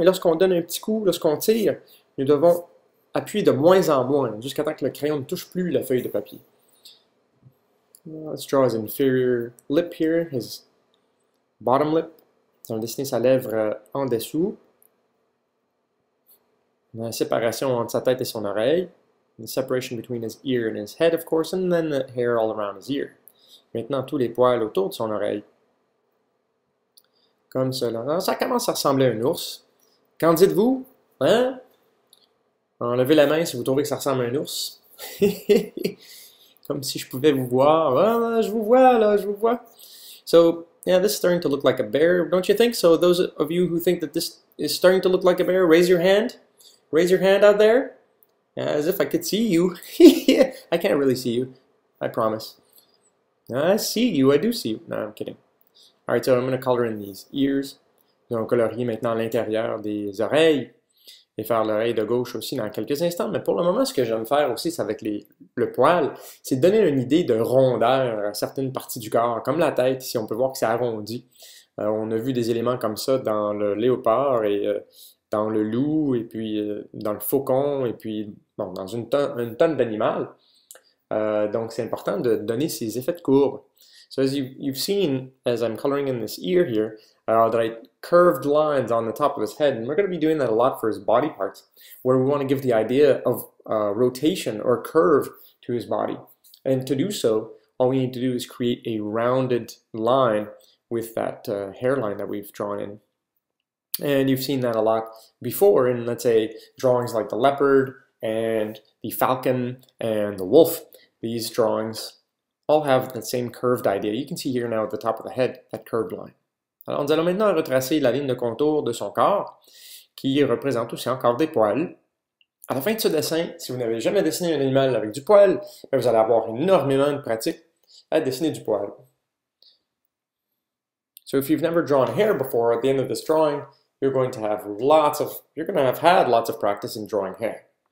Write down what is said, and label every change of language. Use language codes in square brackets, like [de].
[fr] Et lorsqu'on donne un petit coup, lorsqu'on tire, nous devons appuyer de moins en moins, jusqu'à temps que le crayon ne touche plus la feuille de papier. [en] Let's draw his inferior lip here, his bottom lip. [fr] Nous allons dessiner sa lèvre en dessous. La séparation entre sa tête et son oreille. [en] The separation between his ear and his head, of course, and then the hair all around his ear. [fr] Maintenant, tous les poils autour de son oreille. Comme cela. Alors, ça commence à ressembler à un ours. Qu'en dites-vous? Hein? Enlevez la main si vous trouvez que ça ressemble à un ours. Comme si je pouvais vous voir. Ah, je vous vois, là, je vous vois. [en] So, yeah, this is starting to look like a bear, don't you think? So, those of you who think that this is starting to look like a bear, raise your hand. Raise your hand out there, as if I could see you. I can't really see you, I promise. I do see you. No, I'm kidding. All right, so I'm going to color in these ears. [fr] Nous allons colorier maintenant l'intérieur des oreilles et faire l'oreille de gauche aussi dans quelques instants. Mais pour le moment, ce que j'aime faire aussi, c'est avec le poil, c'est donner une idée de rondeur à certaines parties du corps, comme la tête. Ici, on peut voir que c'est arrondi. On a vu des éléments comme ça dans le léopard et... dans le loup, et puis dans le faucon, et puis bon, dans une tonne d'animaux. Donc, c'est important de donner ces effets de courbe. [en] So, as you've seen, as I'm coloring in this ear here, that I curved lines on the top of his head, and we're going to be doing that a lot for his body parts, where we want to give the idea of rotation or curve to his body. And to do so, All we need to do is create a rounded line with that hairline that we've drawn in. And you've seen that a lot before in, let's say, drawings like the leopard and the falcon and the wolf. These drawings all have the same curved idea. You can see here now at the top of the head, that curved line. [fr] Alors, nous allons maintenant retracer la ligne de contour de son corps, qui représente aussi encore des poils. À la fin de ce dessin, si vous n'avez jamais dessiné un animal avec du poil, vous allez avoir énormément de pratique à dessiner du poil. [en] So if you've never drawn hair before, at the end of this drawing, you're going to have had lots of practice in drawing hair.